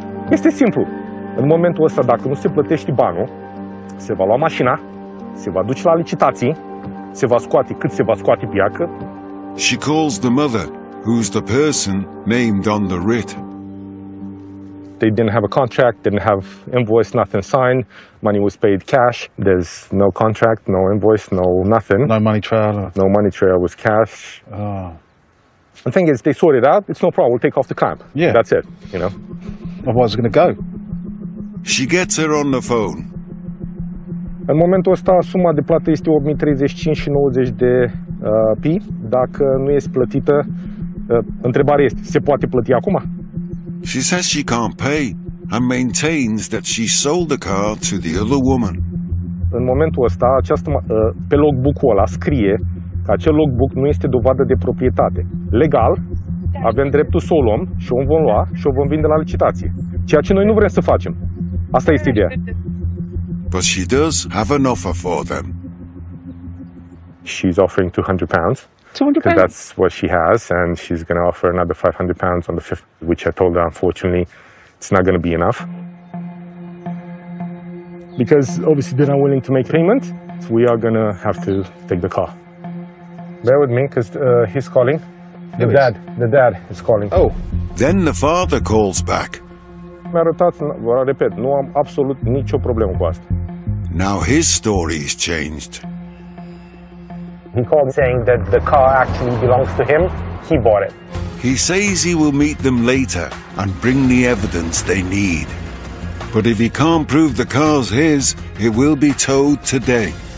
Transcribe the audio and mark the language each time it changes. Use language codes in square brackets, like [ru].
[ro] Este simplu. În momentul ăsta, dacă nu se plătește banul, se va lua mașina, se va duce la licitații, se va scoate cât se va scoate piacă. [en] She calls the mother, who's the person named on the writ. They didn't have a contract, didn't have invoice, nothing signed. Money was paid cash. There's no contract, no invoice, no nothing. No money trail. No money trail, was cash. Oh. The thing is, they sort it out, it's no problem, we'll take off the clamp. Yeah. That's it, you know. Well, where's it going to go? She gets her on the phone. [ro] În momentul ăsta, suma de plată este 8.035,90 de pi. Dacă nu este plătită, întrebarea este, se poate plăti acum? [en] She says she can't pay and maintains that she sold the car to the other woman. [ro] În momentul ăsta, pe logbook-ul ăla scrie că acel logbook nu este dovadă de proprietate. Legal, avem dreptul să o luăm și o vom lua și o vom vinde la licitație. Ceea ce noi nu vrem să facem. Asta este ideea. [en] But she does have an offer for them. She's offering £200. £200? That's what she has, and she's going to offer another £500 on the 5th, which I told her, unfortunately, it's not going to be enough. Because obviously they're not willing to make payment, so we are going to have to take the car. Bear with me, because he's calling. The dad is calling. Oh. Then the father calls back. [ro] Mi-a arătat, vă repet, nu am absolut nicio problemă cu asta. [en] Now his story has changed. He called saying that the car actually belongs to him. He bought it. He says he will meet them later and bring the evidence they need. But if he can't prove the car's his, it will be towed today.